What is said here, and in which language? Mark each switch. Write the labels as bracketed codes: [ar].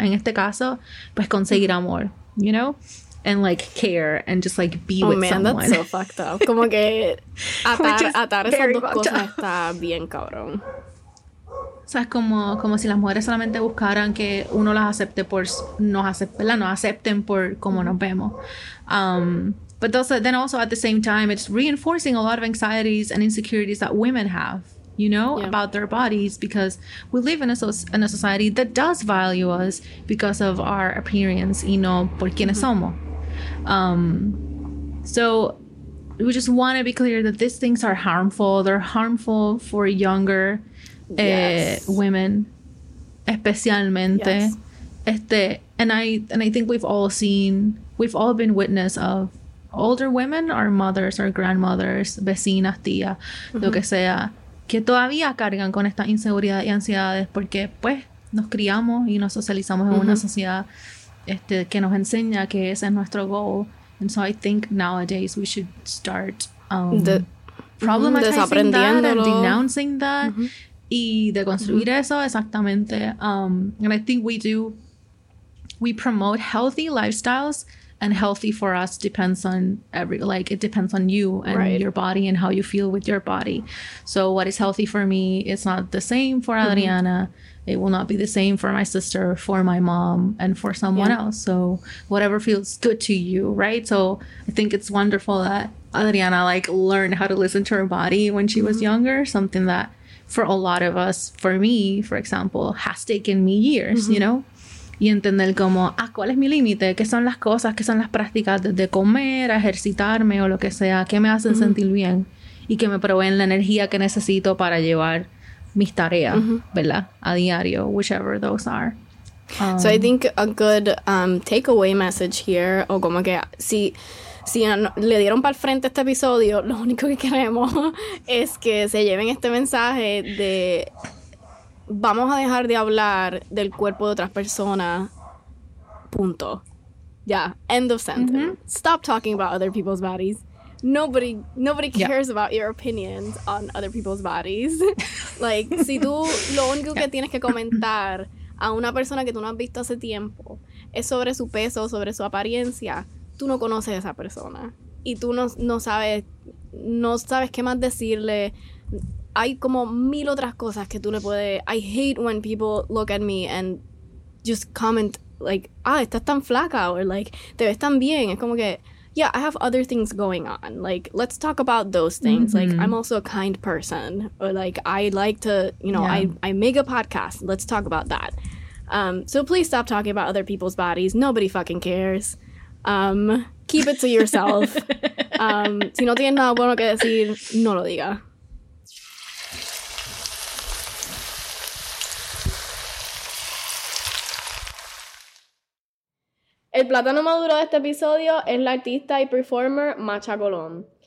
[es] En este caso, pues conseguir amor, [en] you know? And like care and just like be oh, with man, someone. Oh man, that's so fucked up. [es] Como que atar esas dos cosas [en] up. [es] Está bien cabrón. O sea, es como si las mujeres solamente buscaran que uno las acepte por nos acepten por cómo nos vemos. [en] But also, then also at the same time, it's reinforcing a lot of anxieties and insecurities that women have, you know, yeah. about their bodies, because we live in a society that does value us because of our appearance [es] y no por quienes [en] mm-hmm. somos. So we just want to be clear that these things are harmful. They're harmful for younger women, [es] especialmente. [en] Yes. And I think we've all been witness of older women, our mothers, our grandmothers, [es] vecinas, tías, [en] mm-hmm. [es] lo que sea, que todavía cargan con esta inseguridad y ansiedades porque, pues, nos criamos y nos socializamos en mm-hmm. una sociedad que nos enseña que ese es nuestro goal. [en] And so I think nowadays we should start problematizing that and denouncing that. Mm-hmm. [es] Y de construir [en] mm-hmm. [es] eso, exactamente. [en] And I think we promote healthy lifestyles, and healthy for us depends on it depends on you and right. your body and how you feel with your body. So what is healthy for me is not the same for mm-hmm. Adriana. It will not be the same for my sister, for my mom, and for someone yeah. else. So whatever feels good to you, right? So I think it's wonderful that Adriana, like, learned how to listen to her body when she mm-hmm. was younger, something that for a lot of us, for me, for example, has taken me years, mm-hmm. you know? [es] Y entender como, ¿cuál es mi límite? ¿Qué son las cosas? ¿Qué son las prácticas de comer, ejercitarme o lo que sea? ¿Qué me hacen mm-hmm. sentir bien? Y que me proveen la energía que necesito para llevar mis tareas, mm-hmm. ¿verdad? A diario, [en] whichever those are. So I think a good takeaway message here, [es] o como que si le dieron para el frente este episodio, lo único que queremos es que se lleven este mensaje de vamos a dejar de hablar del cuerpo de otras personas. Punto. Ya. [en] Yeah. End of sentence. Mm-hmm. Stop talking about other people's bodies. Nobody cares about your opinions on other people's bodies. [es] Like, si tú lo único que tienes que comentar a una persona que tú no has visto hace tiempo es sobre su peso, sobre su apariencia, tú no conoces a esa persona. Y tú no sabes qué más decirle. Hay como mil otras cosas que tú le puedes... [en] I hate when people look at me and just comment like, ah, [es] estás tan flaca, [en] or like, [es] te ves tan bien. Es como que, [en] yeah, I have other things going on. Like, let's talk about those things. Mm-hmm. Like, I'm also a kind person. Or like, I like to, you know, I make a podcast. Let's talk about that. So please stop talking about other people's bodies. Nobody fucking cares. Keep it to yourself. [es] Si no tienes nada bueno que decir, no lo diga. El plátano maduro de este episodio es la artista y performer Macha Colón.